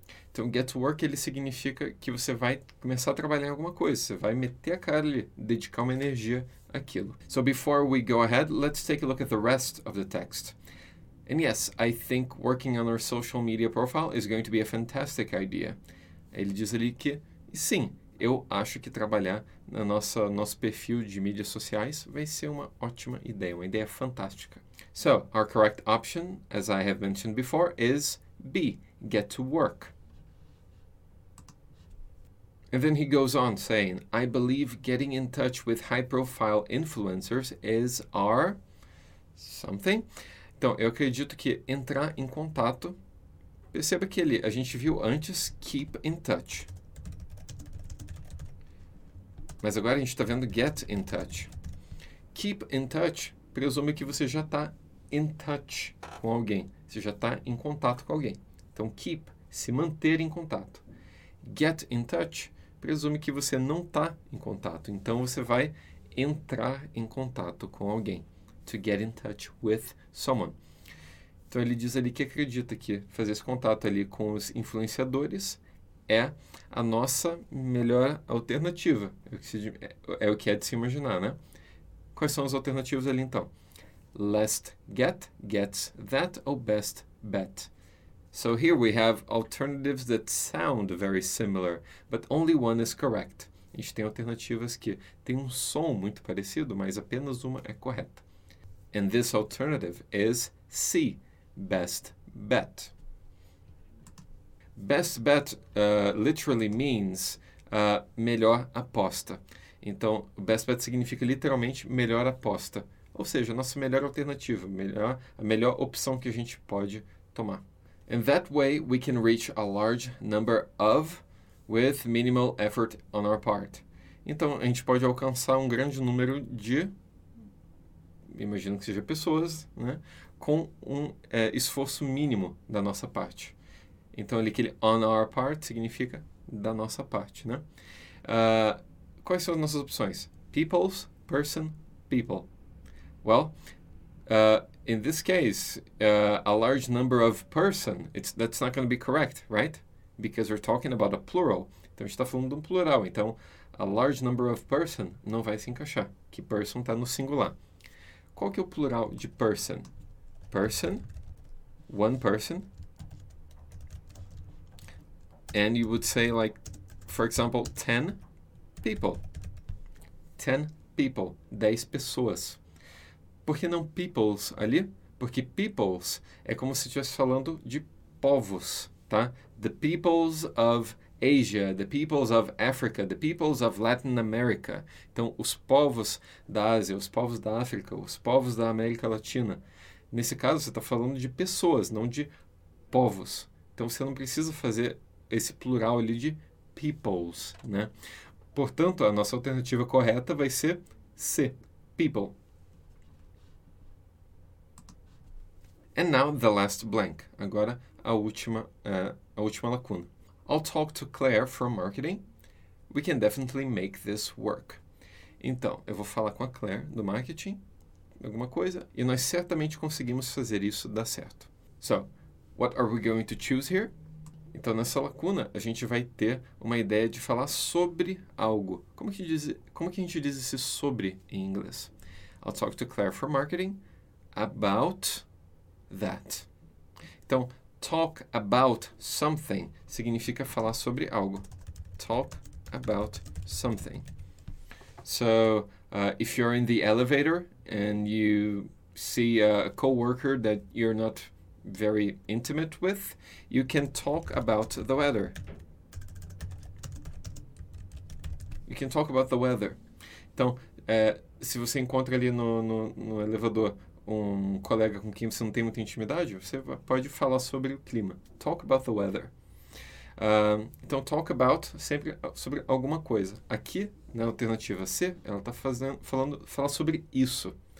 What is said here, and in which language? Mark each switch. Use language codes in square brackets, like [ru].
[pt] Então, get to work, ele significa que você vai começar a trabalhar em alguma coisa. Você vai meter a cara ali, dedicar uma energia àquilo. [en] So, before we go ahead, let's take a look at the rest of the text. And yes, I think working on our social media profile is going to be a fantastic idea. [pt] Ele diz ali que, sim. Eu acho que trabalhar no nosso perfil de mídias sociais vai ser uma ótima ideia, uma ideia fantástica. [en] So, our correct option, as I have mentioned before, is B, get to work. And then he goes on saying, I believe getting in touch with high-profile influencers is our something. [pt] Então, eu acredito que entrar em contato, perceba que ali, a gente viu antes, keep in touch. Mas agora a gente está vendo get in touch. Keep in touch presume que você já está in touch com alguém. Você já está em contato com alguém. Então, keep, se manter em contato. Get in touch presume que você não está em contato. Então, você vai entrar em contato com alguém. [en] To get in touch with someone. [pt] Então, ele diz ali que acredita que fazer esse contato ali com os influenciadores é a nossa melhor alternativa. É o que é de se imaginar, né? Quais são as alternativas ali então? Least get, gets that, ou best bet. [en] So here we have alternatives that sound very similar, but only one is correct. [pt] A gente tem alternativas que têm um som muito parecido, mas apenas uma é correta. [en] And this alternative is C, best bet. Best bet literally means melhor aposta. [pt] Então, o best bet significa literalmente melhor aposta. Ou seja, a nossa melhor alternativa, a melhor opção que a gente pode tomar. [en] And that way we can reach a large number of with minimal effort on our part. [pt] Então, a gente pode alcançar um grande número de, imagino que seja pessoas, né, com um esforço mínimo da nossa parte. Então, ali aquele on our part significa da nossa parte, né? Quais são as nossas opções? Peoples, person, people. [en] Well, in this case, a large number of person, that's not going to be correct, right? Because we're talking about a plural. [pt] Então, a gente está falando de um plural. Então, a large number of person não vai se encaixar, que person está no singular. Qual que é o plural de person? Person, one person. [en] And you would say, like, for example, 10 people. [pt] 10 people, 10 pessoas. Por que não peoples ali? Porque peoples é como se estivesse falando de povos, tá? [en] The peoples of Asia, the peoples of Africa, the peoples of Latin America. [pt] Então, os povos da Ásia, os povos da África, os povos da América Latina. Nesse caso, você está falando de pessoas, não de povos. Então, você não precisa fazer esse plural ali de peoples, né? Portanto, a nossa alternativa correta vai ser C, people. [en] And now the last blank. [pt] Agora, a última lacuna. [en] I'll talk to Claire from marketing. We can definitely make this work. [pt] Então, eu vou falar com a Claire do marketing, alguma coisa, e nós certamente conseguimos fazer isso dar certo. [en] So, what are we going to choose here? [pt] Então, nessa lacuna, a gente vai ter uma ideia de falar sobre algo. Como que a gente diz esse sobre em inglês? [en] I'll talk to Claire for marketing about that. [pt] Então, talk about something significa falar sobre algo. [en] Talk about something. So, if you're in the elevator and you see a coworker that you're not very intimate with, you can talk about the weather. You can talk about the weather. [pt] Então, se você encontra ali no elevador um colega com quem você não tem muita intimidade, você pode falar sobre o clima. [en] Talk about the weather. [pt] Então, talk about sempre sobre alguma coisa. Aqui, na alternativa C, ela está falar sobre isso.